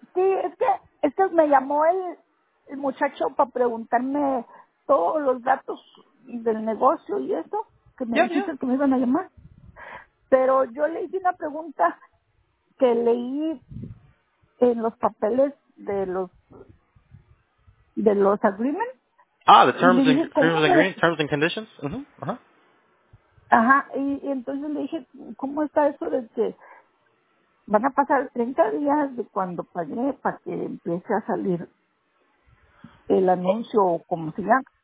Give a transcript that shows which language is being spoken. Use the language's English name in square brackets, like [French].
[Spanish] Sí, es que me llamó el muchacho para preguntarme todos los datos del negocio y eso, que me dijiste que me iban a llamar. Pero yo le hice una pregunta que leí en los papeles de los agreements. [English] Ah, the terms and conditions. Ajá. [Spanish] Ajá, y entonces le dije, ¿cómo está eso de que van a pasar 30 días de cuando pagué para que empiece a salir el anuncio o como se llama?